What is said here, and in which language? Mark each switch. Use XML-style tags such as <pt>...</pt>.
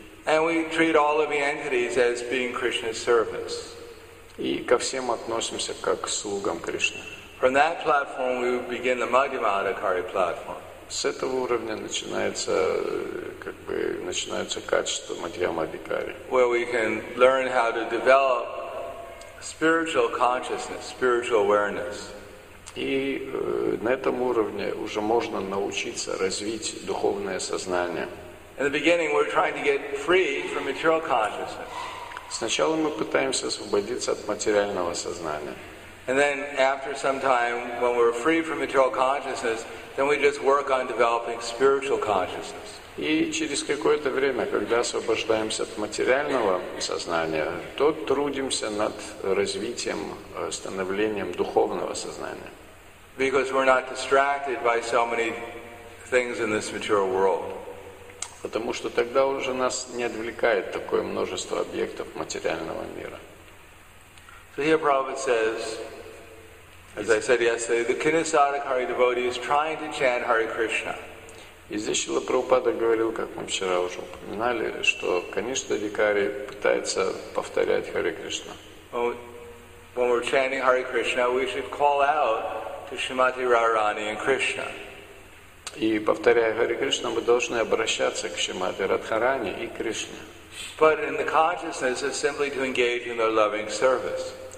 <en>And we treat all living entities as being Krishna's servants.</en> <ru>И ко всем относимся как к слугам Кришны.</ru> <en>From that platform we begin the Madhyama Adhikari platform.</en> <ru>С этого уровня начинается, как бы, начинается качество Мадхьяма Адхикари.</ru> <en>Where we can learn how to develop spiritual consciousness, spiritual awareness.</en> <ru>И на этом уровне уже можно научиться развить духовное сознание.</ru> <en>In the beginning, we're trying to get free from material consciousness.</en> <ru>Сначала мы пытаемся освободиться от материального сознания.</ru> <en>And then, after some time, when we're free from material consciousness, then we just work on developing spiritual consciousness.</en> <ru>И через какое-то время, когда освобождаемся от материального сознания, то трудимся над развитием, становлением духовного сознания.</ru> <en>Because we're not distracted by so many things in this material world.</en> <ru>Потому что тогда уже нас не отвлекает такое множество объектов материального мира.</ru> <en>So here Prabhupada says, as I said yesterday, the Kinnisadhikari devotee is trying to chant Hare Krishna.</en> <ru>И здесь Шрила Прабхупада говорил, как мы вчера уже упоминали, что конечно Дикари пытается повторять Харе Кришна.</ru> <en>When we're chanting Hare Krishna, we should call out to Shrimati Radharani and Krishna.</en> <ru>И повторяя Харе Кришна, мы должны обращаться к Шримати Радхарани и Кришне.</ru> <en>But in the consciousness is simply to engage in their loving service.</en>